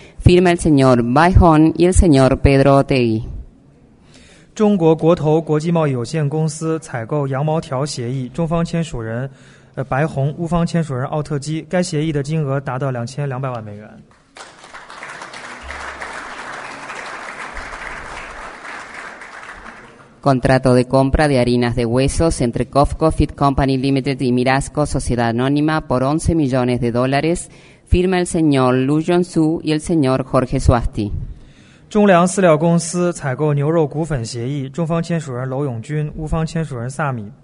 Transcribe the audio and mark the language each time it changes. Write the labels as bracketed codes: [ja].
[es] Firma el señor Bai Hong y el señor Pedro Otegui. [zh] 中国国投国际贸易有限公司采购羊毛条协议，中方签署人白红，乌方签署人奥特基。该协议的金额达到 2200 万美元。 [es] Contrato de compra de harinas de huesos entre COFCO Feed Company Limited y Mirasco Sociedad Anónima por 11 millones de dólares. Firma el señor Lu Yongsu y el señor Jorge Suasti. [zh] 中粮饲料公司采购牛肉股份协议，中方签署人娄永军，乌方签署人萨米。